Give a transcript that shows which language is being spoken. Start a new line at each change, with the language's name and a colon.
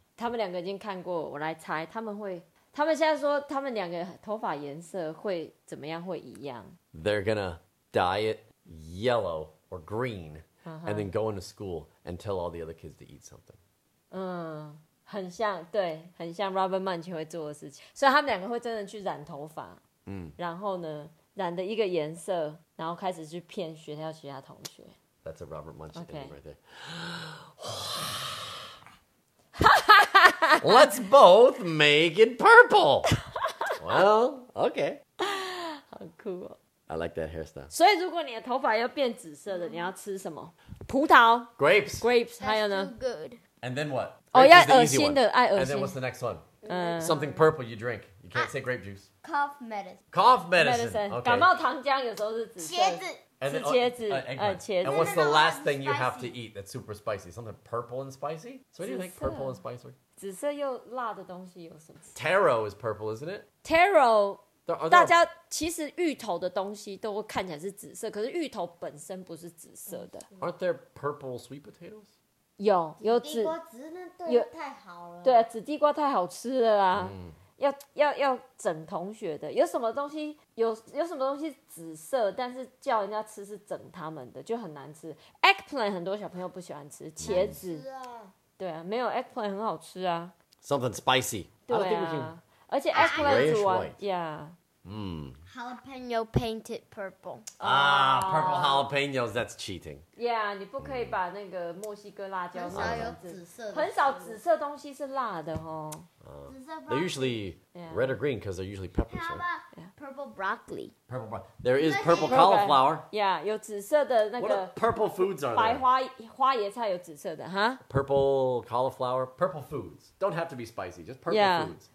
Chinese: 他们两个已经看过，我来猜他们会，他们现在说他们两个头发颜色会怎么样，会一样。
English: They're gonna dye it yellow or green, and then go into school and tell all the other kids to eat something.
Chinese: 嗯。很像，对，很像 Robert Munch 会做的事情，所以他们两个会真的去染头发，嗯，然后呢，染的一个颜色，然后开始去骗学校其他同学。
English: That's a Robert Munch thing right there. Let's both make it purple. Well, okay.
Chinese: 好酷哦。
English: I like that hairstyle.
Chinese: 所以如果你的头发要变紫色的，你要吃什么？葡萄。
English: Grapes.
Chinese: Grapes. 还有呢
English: ？That's too good. And then what? Oh, yeah, the easy one. And then what's the next one? Something purple you drink. You can't say grape juice. Cough medicine. Cough medicine. Okay.
Chinese: 感冒糖浆有时候是紫色。茄子。
English: And then,
Chinese: 是茄子。茄子。
English: And what's the last thing you have to eat that's super spicy? Something purple and spicy? So what do you think purple and spicy?
Chinese: 紫色又辣的东西有什么
English: ？Taro is purple, isn't it? Taro.
Chinese: 大家其实芋头的东西都看起来是紫色，可是芋头本身不是紫色的。
English: Aren't there purple sweet potatoes?
Chinese: 有紫地瓜，只是那对太好了。对啊，紫地瓜太好吃了啊！要整同学的，有什么东西有什么东西紫色，但是叫人家吃是整他们的，就很难吃。 Eggplant 很多小朋友不喜欢吃，茄子。吃啊对啊，没有 Eggplant 很好吃啊。
English: Something spicy。
Chinese: 对啊，而且 Eggplant 煮完呀。
English: Jalapeno painted purple. Purple jalapenos, that's cheating.
Chinese: Yeah, 你不可以把那个墨西哥辣椒。很少有紫色的。很少紫色东西是辣的哦。
English: They're usually red or green because they're usually peppers. How about purple broccoli? Purple broccoli. There is purple cauliflower.
Chinese: Yeah, 有紫色的那个。
English: What purple foods are there?
Chinese: 白花椰菜有紫色的哈。
English: Purple cauliflower, purple foods. Don't have to be spicy, just purple foods.